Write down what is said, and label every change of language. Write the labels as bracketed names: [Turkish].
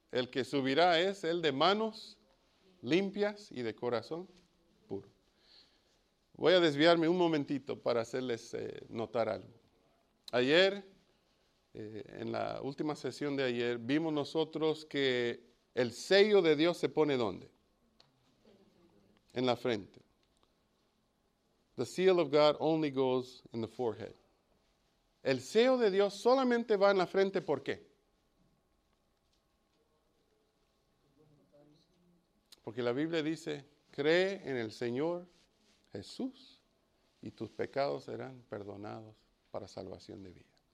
[Spanish] El que subirá es el de manos limpias y de corazón puro. Voy a desviarme un momentito para hacerles notar algo. Ayer, en la última sesión de ayer, vimos nosotros que el sello de Dios se pone ¿dónde? En la frente. [English] The seal of God only goes in the forehead. [Spanish] El sello de Dios solamente va en la frente, ¿por qué? Porque la Biblia dice, cree en el Señor Jesús y tus pecados serán perdonados para salvación de vida.